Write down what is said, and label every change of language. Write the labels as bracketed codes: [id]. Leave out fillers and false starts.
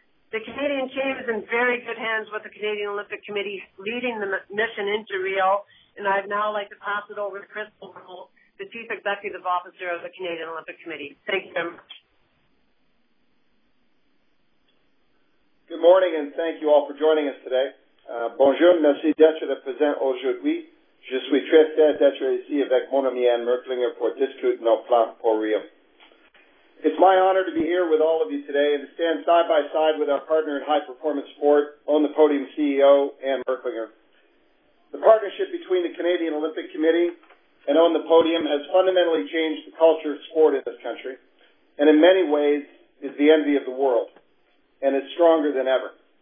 [en] The Canadian team is in very good hands with the Canadian Olympic Committee leading the mission into Rio, and I'd now like to pass it over to Chris Bogle, the Chief Executive Officer of the Canadian Olympic Committee. Thank you very much. Good morning, and thank you all for joining us today. [fr] Bonjour, merci d'être de présent aujourd'hui. Je suis très fier d'être ici avec mon ami Anne Merklinger pour discuter nos plans pour Rio. [en] It's my honor to be here with all of you today and to stand side by side with our partner in high performance sport, On the Podium CEO, Anne Merklinger. The partnership between the Canadian Olympic Committee and On the Podium has fundamentally changed the culture of sport in this country, and in many ways is the envy of the world, and is stronger than ever.